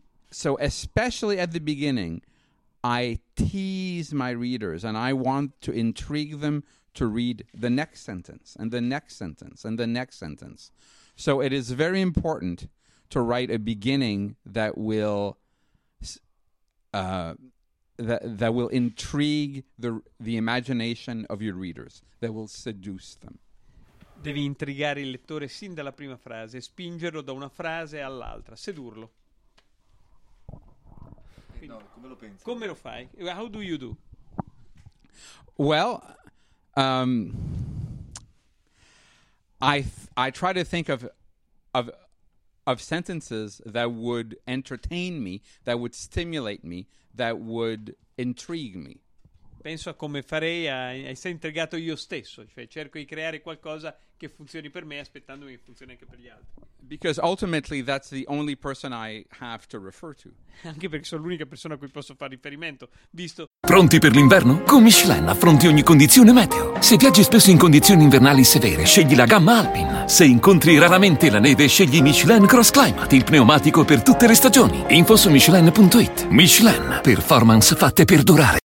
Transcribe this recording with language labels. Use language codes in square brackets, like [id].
[en] So especially at the beginning, I tease my readers and I want to intrigue them to read the next sentence and the next sentence and the next sentence. So it is very important to write a beginning that will that will intrigue the imagination of your readers, that will seduce them. [it] Devi intrigare il lettore sin dalla prima frase, spingerlo da una frase all'altra, sedurlo. Quindi, no, come lo pensi? Come lo fai? [en] How do you do? Well, I try to think of sentences that would entertain me, that would stimulate me, that would intrigue me. [it] Penso a come farei a essere intrigato io stesso, cioè cerco di creare qualcosa che funzioni per me aspettandomi che funzioni anche per gli altri. [en] Because ultimately that's the only person I have to refer to. [it] Anche perché sono l'unica persona a cui posso fare riferimento, visto... Pronti per l'inverno? Con Michelin affronti ogni condizione meteo. Se viaggi spesso in condizioni invernali severe, scegli la gamma Alpine. Se incontri raramente la neve, scegli Michelin Cross Climate, il pneumatico per tutte le stagioni. Info su michelin.it. Michelin, performance fatte per durare.